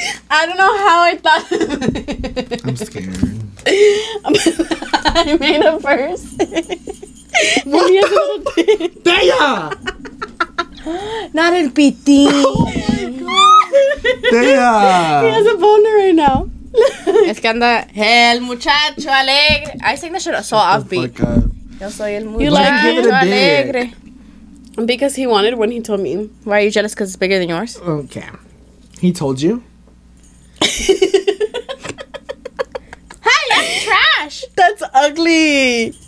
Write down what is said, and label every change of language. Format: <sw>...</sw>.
<en>I don't know how I thought. I'm scared. I made a verse. What? The Daya! Not El Pitín. Oh my god! Damn. He has a boner right now.</en> <es>Es que anda el muchacho alegre.</es> <en>I sing that shit so offbeat.</en> <es>Yo soy el muchacho alegre.</es> <en>Because he wanted one, he told me. Why are you jealous? Because it's bigger than yours. Okay. He told you? Hey, that's trash. That's ugly.</en>